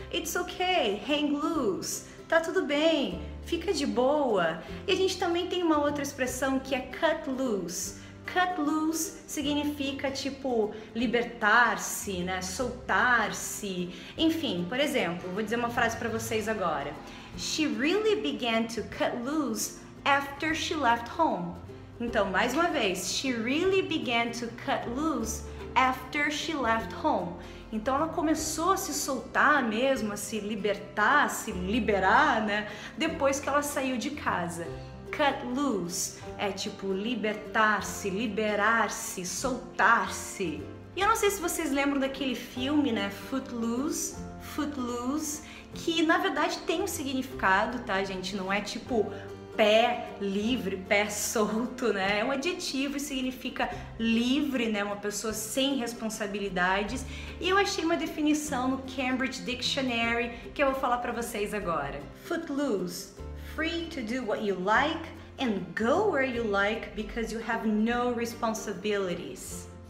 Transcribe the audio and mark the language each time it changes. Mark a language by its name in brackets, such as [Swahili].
[English] It's okay, hang loose. [Portuguese] Tá tudo bem, fica de boa. E a gente também tem uma outra expressão que é cut loose. Cut loose significa tipo libertar-se, né? Soltar-se. Enfim, por exemplo, vou dizer uma frase para vocês agora. [English] She really began to cut loose after she left home. [Portuguese] Então, mais uma vez, [English] she really began to cut loose after she left home. [Portuguese] Então ela começou a se soltar mesmo, a se libertar, a se liberar, né? Depois que ela saiu de casa. Cut loose é tipo libertar-se, liberar-se, soltar-se. E eu não sei se vocês lembram daquele filme, né? Footloose, Footloose, que na verdade tem um significado, tá, gente? Não é tipo pé livre, pé solto, né? É um adjetivo e significa livre, né? Uma pessoa sem responsabilidades. E eu achei uma definição no Cambridge Dictionary que eu vou falar pra vocês agora. [English] Footloose, free to do what you like and go where you like because you have no responsibilities.